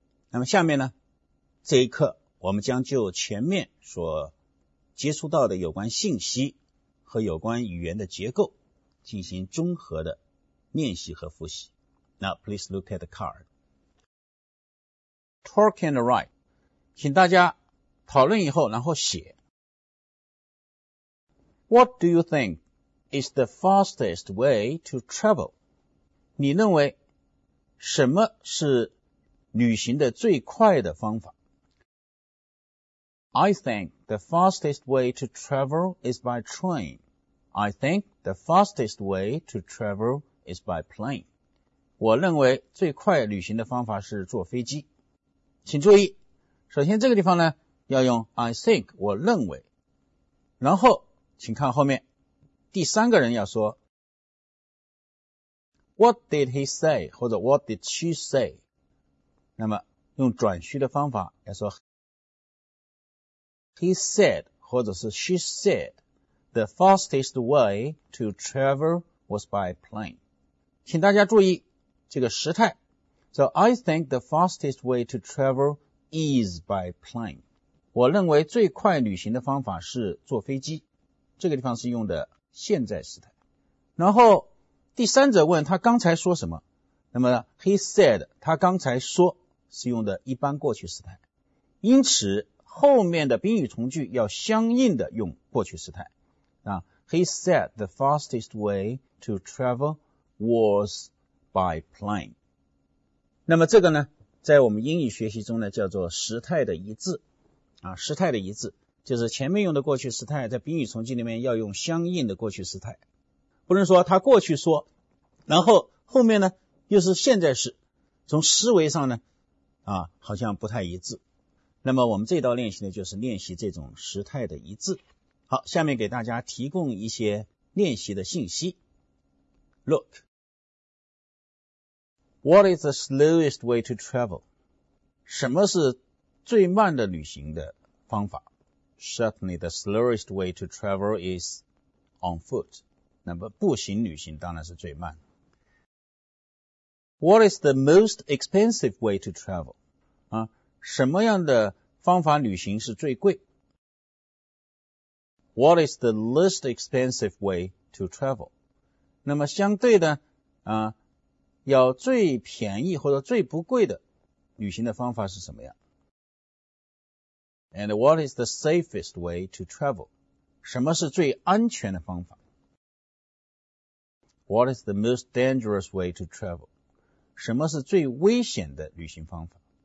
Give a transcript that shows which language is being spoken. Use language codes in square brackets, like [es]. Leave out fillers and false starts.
[zh] 那么下面呢，这一课我们将就前面所接触到的有关信息和有关语言的结构进行综合的练习和复习。 [en] 那 please look at the card. Talk and write. [zh] 请大家讨论以后然后写。 [en] What do you think is the fastest way to travel? [zh] 你认为什么是旅行的最快的方法？ [en] I think the fastest way to travel is by train. I think the fastest way to travel is by plane. [zh] 我认为最快旅行的方法是坐飞机。请注意，首先这个地方呢要用 [en] I think, [zh] 我认为。然后请看后面第三个人要说 [en] What did he say? [zh] 或者 [en] What did she say? [zh] 那么用转虚的方法要说 [en] He said, [zh] 或者是 [en] She said, the fastest way to travel was by plane. [zh] 请大家注意这个时态。 [en] So I think the fastest way to travel is by plane. [zh] 我认为最快旅行的方法是坐飞机，这个地方是用的现在时态。然后第三者问他刚才说什么，那么 [en] he said [zh] 他刚才说是用的一般过去时态，因此后面的宾语从句要相应的用过去时态啊。 [en] He said the fastest way to travel was by plane。 [zh] 那么这个呢在我们英语学习中呢叫做时态的一致啊，时态的一致，就是前面用的过去时态，在宾语从句里面要用相应的过去时态，不能说他过去说，然后后面呢又是现在时，从思维上呢，啊，好像不太一致。那么我们这道练习呢，就是练习这种时态的一致。好，下面给大家提供一些练习的信息。 [en] Look, what is the slowest way to travel? [zh] 什么是最慢的旅行的方法？ [en] Certainly the slowest way to travel is on foot. [zh] 那么步行旅行当然是最慢。 [en] What is the most expensive way to travel? [zh] 啊，什么样的方法旅行是最贵？ [en] What is the least expensive way to travel? [zh] 那么相对的啊，要最便宜或者最不贵的旅行的方法是什么样？ [en] And what is the safest way to travel? [zh] 什么是最安全的方法？ [en] What is the most dangerous way to travel? [zh] 什么是最危险的旅行方法？